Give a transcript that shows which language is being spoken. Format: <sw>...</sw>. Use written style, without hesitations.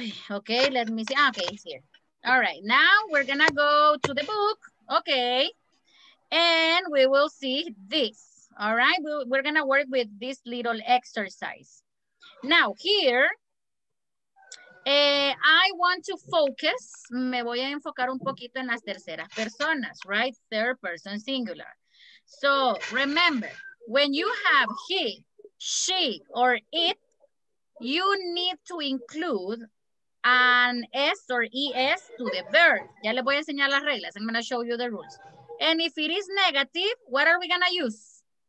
<en>Okay, let me see. Okay, it's here. All right, now we're gonna go to the book. Okay, and we will see this. All right, we're gonna work with this little exercise. Now here, I want to focus.</en> <es>Me voy a enfocar un poquito en las terceras personas, right?</es> <en>Third person singular. So remember, when you have he, she, or it, you need to include an S or ES to the verb.</en> <es>Ya les voy a enseñar las reglas.</es> <en>I'm going to show you the rules. And if it is negative, what are we going to use?</en>